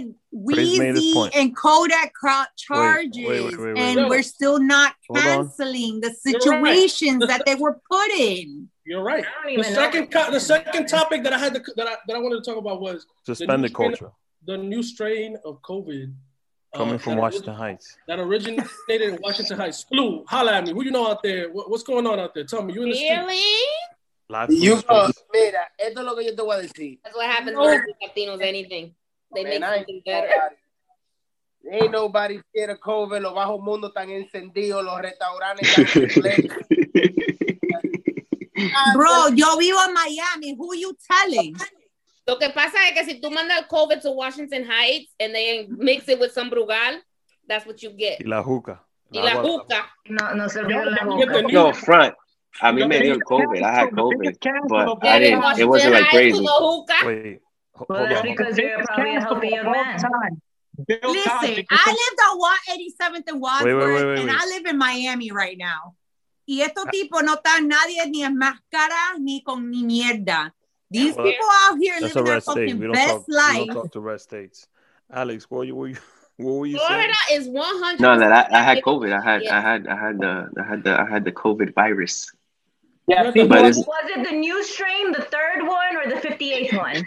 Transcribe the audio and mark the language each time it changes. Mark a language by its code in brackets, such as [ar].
[en] Weezy and Kodak charges, and we're still not canceling the situations that they were put in. You're right. The second topic that I wanted to talk about was suspended culture. The new strain of COVID. Coming from Washington Heights. That originated in Washington Heights. Blue, holla at me. Who you know out there? What's going on out there? Tell me. You in the street? Really? [es] Mira, esto es lo que yo te voy a decir. [en] That's what happens when Latinos anything. They make something better. Ain't nobody scared of COVID. Los bajos mundos están encendidos. [es] Los restaurantes están Bro, yo vivo en Miami. Who you telling? [en] Lo que pasa es que si tú mandas COVID to Washington Heights and they mix it with some Brugal, that's what you get. [es] Y la juca. [en] No, front. A mí me dio COVID. I had COVID. But I didn't. It wasn't like crazy. Wait. Hold on. Because you're probably a healthier man. Listen, I lived on 87th and Wadsworth, and I live in Miami right now. [es] Y estos tipos no están nadie ni en máscara ni con ni mierda. [en] People out here living their fucking best life. We don't talk to red states. Alex, what were you Florida saying? Is 100. No, I had COVID. I had the COVID virus. Was it the new strain, the third one, or the 58th one?